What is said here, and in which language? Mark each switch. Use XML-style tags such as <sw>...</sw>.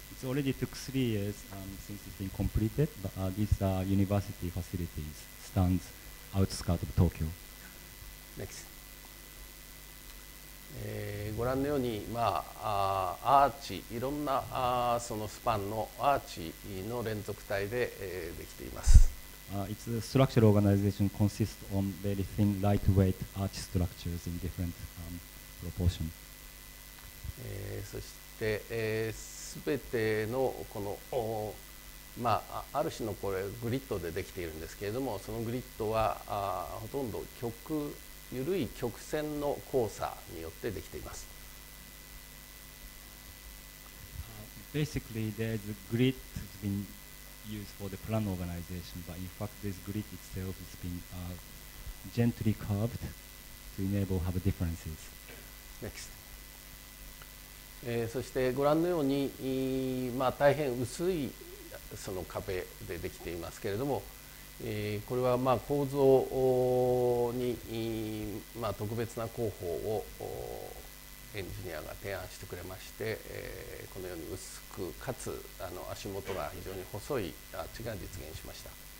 <en>It's already took 3 years since it's been completed, but these are university facilities stands outskirts of Tokyo. Next.</en> <ja>ご覧のように、まあ、アーチ、いろんなそのスパンのアーチの連続体で、できています。</ja> <en>Its structural organization consists on very thin, lightweight arch structures in differentproportion.</en> <ja>そして、すべてのこの、まあ、ある種のこれグリッドでできているんですけれども、そのグリッドはほとんど極緩い曲線の交差によってできています。</ja> <en>Basically, there's a grid that's been used for the plan organization, but in fact, this grid itself has been gently curved to enable have differences. Next.</en> <ja>そしてご覧のように、まあ、大変薄いその壁でできていますけれども、これはまあ構造に、まあ、特別な工法をエンジニアが提案してくれまして、このように薄くかつあの足元が非常に細いアーチが実現しました。</ja>